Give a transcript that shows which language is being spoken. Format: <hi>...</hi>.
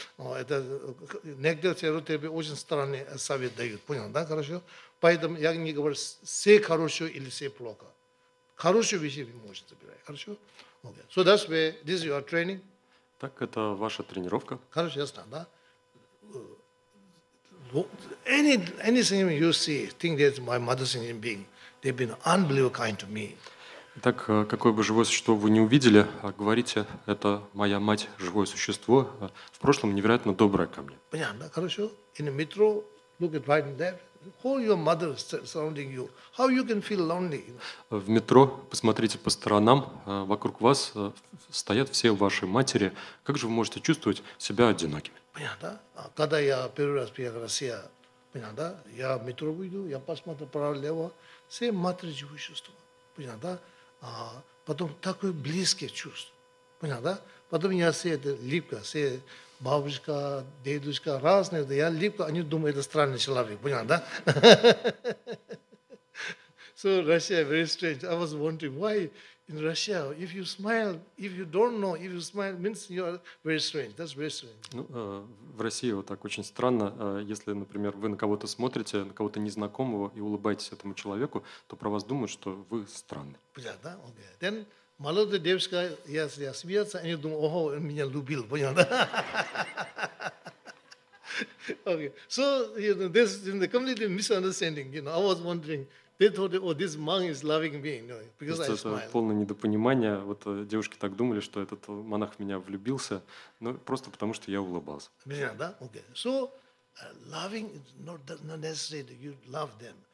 <ru>Это некоторые психотерапии очень странные совет дают, понял, да, хорошо? Поэтому я не говорю, все хорошо или все плохо. Хорошие вещи вы можете забирать, хорошо?</ru> <en>Okay. So that's where, this is your training.</en> <ru>Так, это ваша тренировка. Хорошо, ясно, да?</ru> <en>Anything you see, think that's my mother's human being, they've been unbelievably kind to me.</en> <ru>Так, какое бы живое существо вы не увидели, говорите, это моя мать, живое существо, в прошлом невероятно доброе ко мне. Понятно, хорошо.</ru> <en>In the metro, look at right there. How your mother surrounding you? How you can feel lonely?</en> <ru>В метро, посмотрите по сторонам, вокруг вас стоят все ваши матери. Как же вы можете чувствовать себя одинокими? Понятно. Когда я первый раз приехал в Россию, понятно, я в метро выйду, я посмотрю право-лево, все матери живые существа. Понятно. А потом такое близкое чувство. Понял, да? Потом я все это липко, все бабушка, дедушка, разные, да я липко, они думают, это странный человек, понял, да?</ru> <en>So Russia very strange. I was wondering why in Russia, if you smile, if you don't know, if you smile, means you are very strange. That's very strange.</en> <ru>Ну, в России вот так очень странно. Если, например, вы на кого-то смотрите, на кого-то незнакомого и улыбаетесь этому человеку, то про вас думают, что вы странный. Понял, да?</ru> <en>Okay.</en> <ru>Then молодая девушка, если я смеется, они думают, ого, он меня любил, понял, да?</ru> <en>Okay. So, you know, this is in the completely misunderstanding. You know, I was wondering. They thought, oh, this monk is loving me, you know, because I smile.</en> <ru>Это полное недопонимание. Вот девушки так думали, что этот монах в меня влюбился, но просто потому, что я улыбался. Меня, да?</ru> <en>Okay. So, loving is not necessarily that you love them.</en>